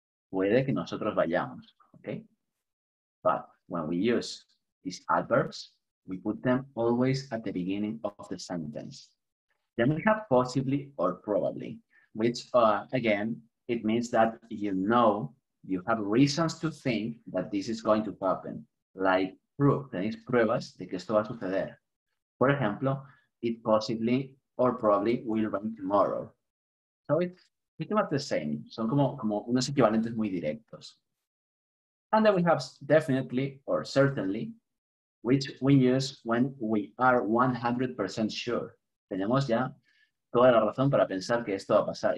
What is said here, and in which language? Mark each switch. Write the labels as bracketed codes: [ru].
[es] Puede que nosotros vayamos, [en] okay? But when we use these adverbs, we put them always at the beginning of the sentence. Then we have possibly or probably, which again, it means that you know, you have reasons to think that this is going to happen. [es] Like proof, tenéis pruebas de que esto va a suceder. [en] For example, it possibly or probably will rain tomorrow. So it's pretty much the same. [es] Son como unos equivalentes muy directos. [en] And then we have definitely or certainly, which we use when we are 100% sure. [es] Tenemos ya toda la razón para pensar que esto va a pasar.